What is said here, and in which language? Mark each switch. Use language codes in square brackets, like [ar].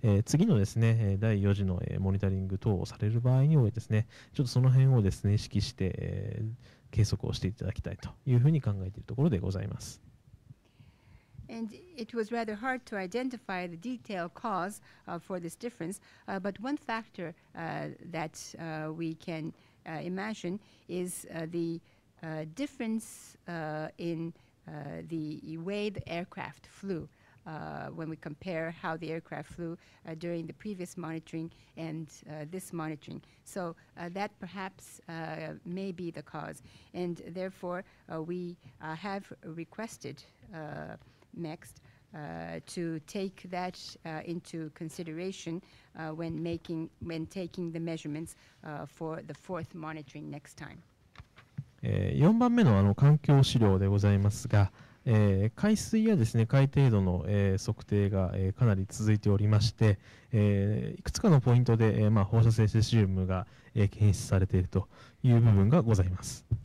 [ja] 次のですね、第4次の、モニタリング等をされる場合においてですね、ちょっとその辺をですね、意識して、計測をしていただきたいというふうに考えているところでございます。 [en] And it was rather hard to identify the detailed cause for this difference, but one factor that we can imagine is the difference in the way the aircraft flew when we compare how the aircraft flew during the previous monitoring and this monitoring. So that perhaps may be the cause, and therefore we have requested. Next, to take that into consideration when taking the measurements for the fourth monitoring next time. [ja] 4番目の、 あの環境資料でございますが、海水やですね、海底度の、測定が、かなり続いておりまして、いくつかのポイントで、まあ、放射性セシウムが、検出されているという部分がございます。